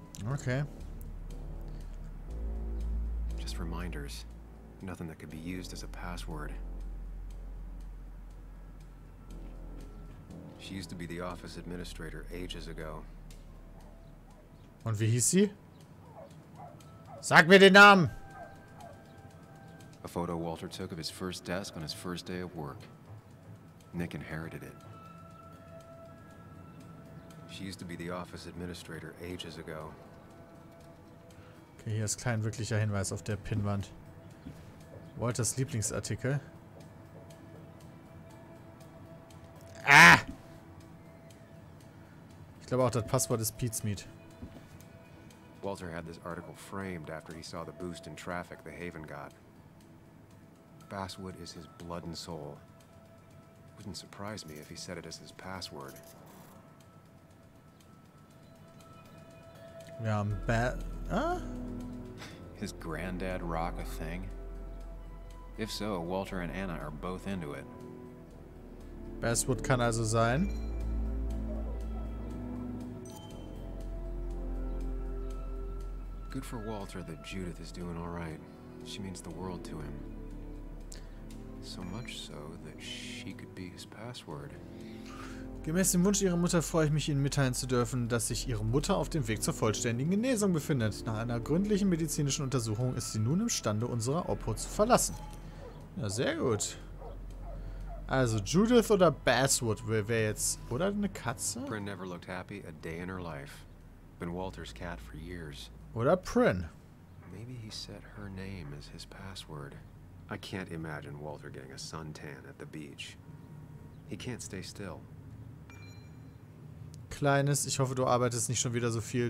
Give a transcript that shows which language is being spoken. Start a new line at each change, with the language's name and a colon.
English: Okay. Just reminders. Nothing that could be used as a password. She used to be the office administrator ages ago.
German: Und wie hieß sie? Sag mir den Namen!
English: A photo Walter took of his first desk on his first day of work. Nick inherited it. She used to be the office administrator ages ago.
German: Okay, hier ist kein wirklicher Hinweis auf der Pinnwand. Walters Lieblingsartikel. Ah! Ich glaube auch, das Passwort ist Pete's Meat.
English: Walter had this article framed after he saw the boost in traffic the Haven got. Basswood is his blood and soul. Wouldn't surprise me if he set it as his password.
German: Wir haben Bat. Ah?
English: His granddad rock a thing? If so, Walter and Anna are both into it.
German: Basswood kann also sein.
English: Good for Walter that Judith is doing all right. She means the world to him. So much so that she could be his password.
German: Gemäß dem Wunsch ihrer Mutter freue ich mich, Ihnen mitteilen zu dürfen, dass sich Ihre Mutter auf dem Weg zur vollständigen Genesung befindet. Nach einer gründlichen medizinischen Untersuchung ist sie nun imstande, unsere Obhut zu verlassen. Ja, sehr gut. Also, Judith oder Basswood, wer jetzt... Oder eine Katze?
English: Prin never looked happy a day in her life. Been Walters' cat for years.
German: Oder Prin.
English: Maybe he set her name as his password. I can't imagine Walter getting a suntan at the beach. He can't stay still.
German: Kleines, ich hoffe, du arbeitest nicht schon wieder so viel.